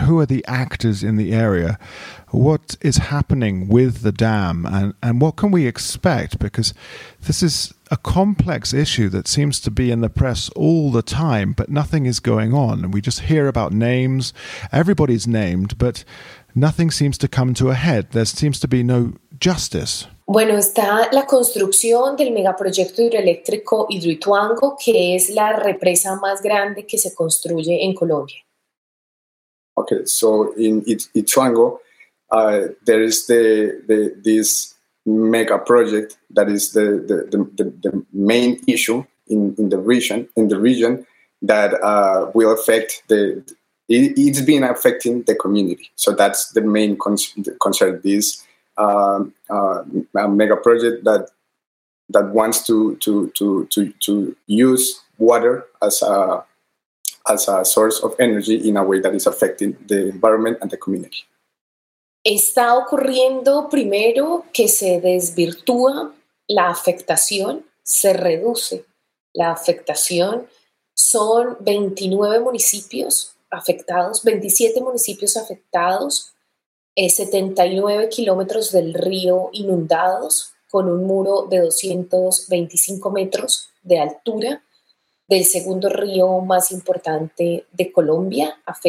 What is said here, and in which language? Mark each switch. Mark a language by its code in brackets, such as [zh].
[en] Who are the actors in the area? What is happening with the dam? And what can we expect? Because this is a complex issue that seems to be in the press all the time, but nothing is going on. And we just hear about names. Everybody's named, but nothing seems to come to a head. There seems to be no justice. [es] Bueno, está la construcción del megaproyecto hidroeléctrico Hidroituango, que es la represa más grande que se construye en Colombia. [en] Okay, so in Ituango, there is this mega project that is the main issue in the region that will affect it's been affecting the community. So that's the main concern. This a mega project that wants to use water as a source of energy in a way that is affecting the environment and the community. [es] Está ocurriendo primero que se desvirtúa la afectación, se reduce la afectación. Son 29 municipios afectados, 27 municipios afectados. 79 kilómetros del río inundados con un muro de 225 metros de altura del segundo río más importante de Colombia.